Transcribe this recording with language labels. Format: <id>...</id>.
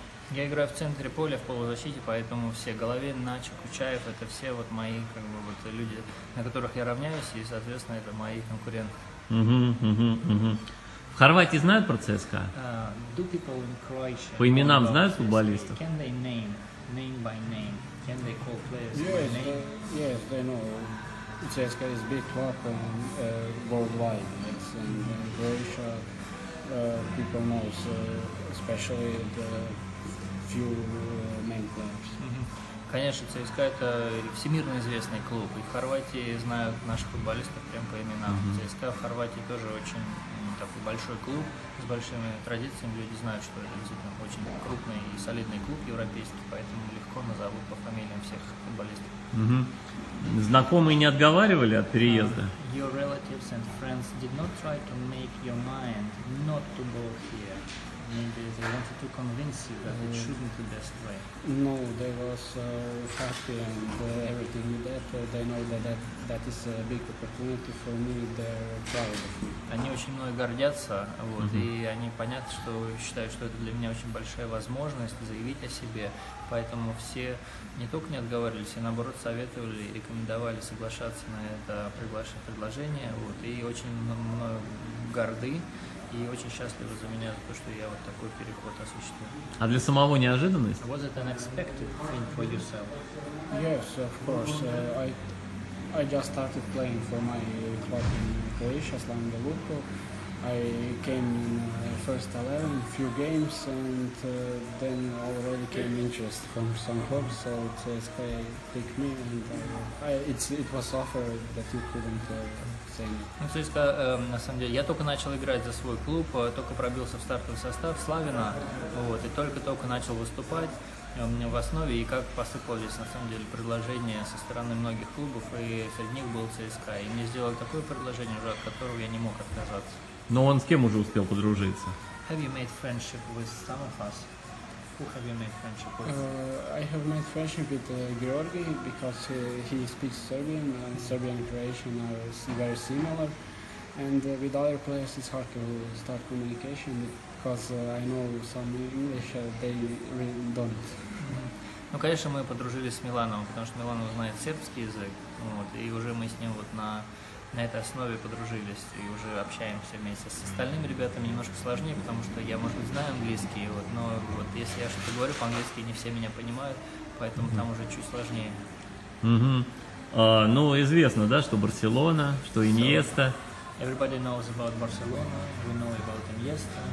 <ru>Я играю в центре поля, в полузащите, поэтому все Головин, Начо, Кучаев, это все вот мои, как бы, вот люди, на которых я равняюсь, и, соответственно, это мои конкуренты. В Хорватии знают про ЦСКА?</ru> <en>do people in Croatia?</en> <ru>По именам знают футболистов?</ru> <en>Can they name by name? Can they call players yes, by name? Yes, they know. CSKA is big club and worldwide. Yes, and in Croatia people know, especially the few main players.</en> <ru>Конечно, ЦСКА это всемирно известный клуб, и в Хорватии знают наших футболистов прям по именам. Mm-hmm. ЦСКА в Хорватии тоже очень такой большой клуб с большими традициями, люди знают, что это действительно очень крупный и солидный клуб европейский, поэтому легко назовут по фамилиям всех футболистов. Mm-hmm. Знакомые не отговаривали от переезда?</ru> <en>Your relatives and friends did not try to make your mind not to go here. Maybe they wanted to convince you that it shouldn't be the best way. No, they was happy and everything with that. They know that is a big opportunity for me. They're proud of me.</en> <ru>Они очень мной гордятся, вот, mm-hmm. и они понятно, что считают, что это для меня очень большая возможность заявить о себе. Поэтому все не только не отговаривались, а наоборот советовали и рекомендовали соглашаться на это предложение. Вот, и очень мной горды. И очень счастлива за меня, за то, что я вот такой переход осуществил. А для самого неожиданность?</ru> <en>Was it an unexpected thing for yourself? Yes, of course. I just started playing for my club in Croatia, Slavia Luka. I came in first 11, few games, and then already came interest from some clubs, so CSKA picked me, and it was offered that you couldn't say me.</en> <ru>Ну, CSKA, на самом деле, я только начал играть за свой клуб, только пробился в стартовый состав Славина, вот, и только-только начал выступать. У меня в основе, и как посыпались на самом деле предложения со стороны многих клубов, и среди них был ЦСКА. И мне сделали такое предложение, уже от которого я не мог отказаться. Но он с кем уже успел подружиться?</ru> <en>Have you made friendship with some of us? Who have you made friendship with? I have made friendship with Georgi, because he speaks Serbian, and Serbian and Croatian are very similar. And with other players it's hard to start communication. Because I know some English, they really don't.</en> <ru>Ну, конечно, мы подружились с Миланом, потому что Милан знает сербский язык, вот, и уже мы с ним вот на этой основе подружились и уже общаемся вместе. С остальными ребятами немножко сложнее, потому что я, может быть, знаю английский, вот, но вот если я что-то говорю по-английски, не все меня понимают, поэтому mm-hmm. там уже чуть сложнее. Mm-hmm. Ну, известно, да, что Барселона, что Иньеста.</ru> <en>Everybody knows about Barcelona, we know about Iniesta.</en>